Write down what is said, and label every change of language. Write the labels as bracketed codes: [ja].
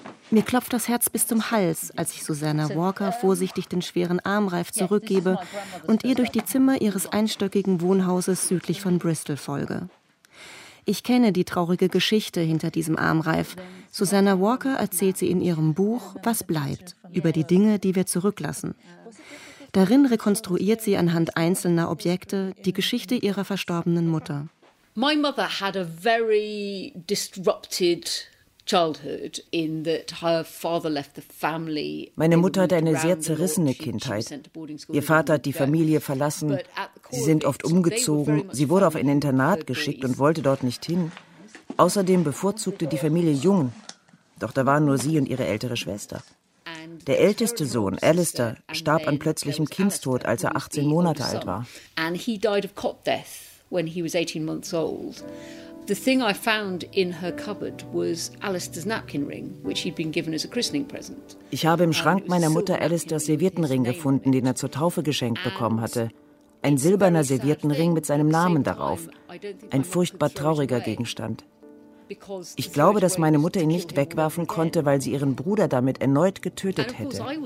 [de] Mir klopft das Herz bis zum Hals, als ich Susanna Walker vorsichtig den schweren Armreif zurückgebe und ihr durch die Zimmer ihres einstöckigen Wohnhauses südlich von Bristol folge. Ich kenne die traurige Geschichte hinter diesem Armreif. Susanna Walker erzählt sie in ihrem Buch »Was bleibt?« über die Dinge, die wir zurücklassen. Darin rekonstruiert sie anhand einzelner Objekte die Geschichte ihrer verstorbenen Mutter. [en] My mother had a very disrupted childhood in that her father left the family. [de] Meine Mutter hatte eine sehr zerrissene Kindheit. Ihr Vater hat die Familie verlassen. Sie sind oft umgezogen. Sie wurde auf ein Internat geschickt und wollte dort nicht hin. Außerdem bevorzugte die Familie Jungen. Doch da waren nur sie und ihre ältere Schwester. Der älteste Sohn, Alistair, starb an plötzlichem Kindstod, als er 18 Monate alt war. [en] And he died of cop death when he was 18 months old. The thing I found in her cupboard was Alistair's napkin ring, which he'd been given as a christening present. [de] Ich habe im Schrank meiner Mutter Alistairs Serviettenring gefunden, den er zur Taufe geschenkt bekommen hatte. Ein silberner Serviettenring mit seinem Namen darauf. Ein furchtbar trauriger Gegenstand. Ich glaube, dass meine Mutter ihn nicht wegwerfen konnte, weil sie ihren Bruder damit erneut getötet hätte.